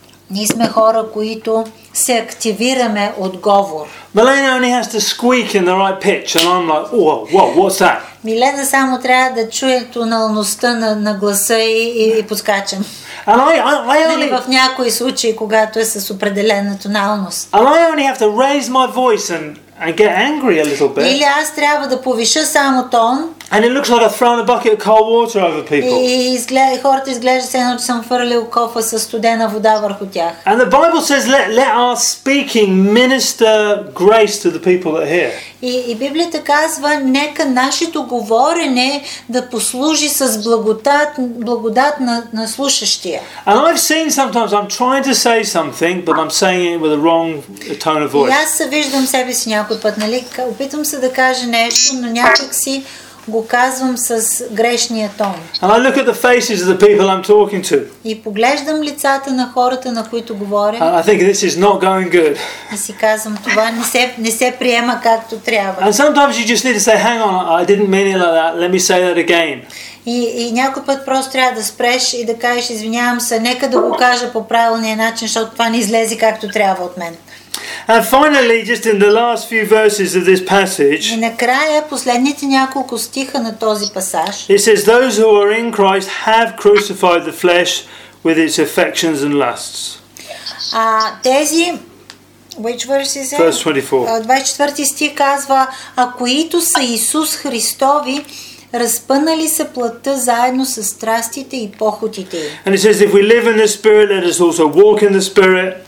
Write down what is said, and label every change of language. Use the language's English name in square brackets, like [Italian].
[Bulgarian] Ние сме хора, които се активираме от говор. [English] Milena only has to squeak in the right pitch and I'm like, whoa, whoa, what's that? [Bulgarian] Милена само трябва да чуе тоналността на гласа и подскачам. Нали, в някои случаи, когато е с определена тоналност. [English] And I only have to raise my voice and get angry a little bit. [Bulgarian] Или аз трябва да повиша само тон. [English] And it looks like I've thrown a bucket of cold water over people. [Bulgarian] И хората изглежда се едно, че съм фърлил кофа със студена вода върху тях. [English] And the Bible says let our speaking minister grace to the people that hear. [Bulgarian] И Библията казва, нека нашето говорене да послужи с благодат на слушащия. [English] And I've seen sometimes I'm trying to say something, but I'm saying it with a wrong tone of voice. [Bulgarian] И аз се виждам себе си някой път, нали, опитвам се да кажа нещо, но някак си го казвам с грешния тон. [English] And I look at the faces of the people I'm talking to. [Bulgarian] И поглеждам лицата на хората, на които говоря. [English] And I think this is not going good. [Bulgarian] И си казвам, това не се приема както трябва. [English] And sometimes you just need to say, hang on, I didn't mean it like that. Let me say that again. [Bulgarian] И някой път просто трябва да спреш и да кажеш, извинявам се, нека да го кажа по правилния начин, защото това не излезе както трябва от мен. [English] And finally, just in the last few verses of this passage. [Bulgarian] И накрая последните няколко стиха на този пасаж. [English] It says, "Those who are in Christ have crucified the flesh with its affections and lusts." [Bulgarian] Тези, [English] which verse is it? Verse 24. [Bulgarian] 24 стих казва, а които са Исус Христови, разпънали се плътта заедно с страстите и похотите. [English] And it says, "If we live in the Spirit, let us also walk in the Spirit."